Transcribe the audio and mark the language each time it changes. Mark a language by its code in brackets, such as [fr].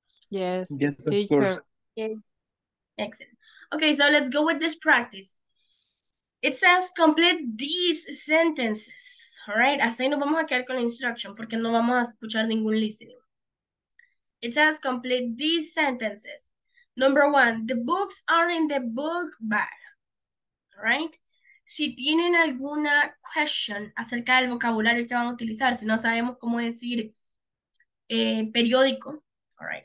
[en] Yes. Yes, of course. Yes. Excellent. Okay, so let's go with this practice. It says complete these sentences, all right? [es] Así nos vamos a quedar con la instruction porque no vamos a escuchar ningún listening. [en] It says complete these sentences. Number one, the books are in the book bag, all right? [es] Si tienen alguna question acerca del vocabulario que van a utilizar, si no sabemos cómo decir periódico, all right?